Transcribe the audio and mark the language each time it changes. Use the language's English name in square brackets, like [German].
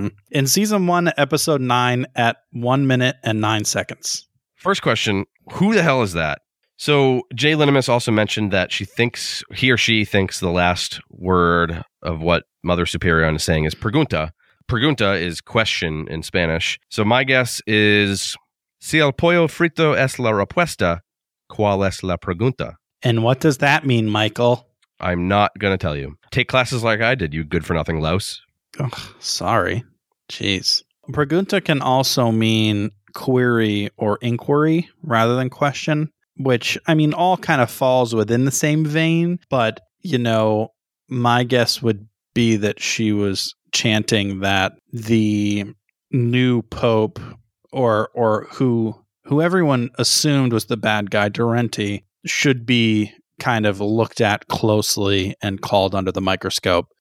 [English] In season 1, episode 9 at 1 minute and 9 seconds. First question, who the hell is that? So Jay Linimus also mentioned that he or she thinks the last word of what Mother Superior is saying is pregunta. Pregunta is question in Spanish. So my guess is, [Spanish] si el pollo frito es la respuesta, ¿cuál es la pregunta? [English] And what does that mean, Michael? I'm not going to tell you. Take classes like I did, you good-for-nothing louse. Ugh, sorry. Jeez. Pregunta can also mean query or inquiry rather than question, which, I mean, all kind of falls within the same vein. But, you know, my guess would be that she was chanting that the new pope or who everyone assumed was the bad guy, Durante, should be kind of looked at closely and called under the microscope.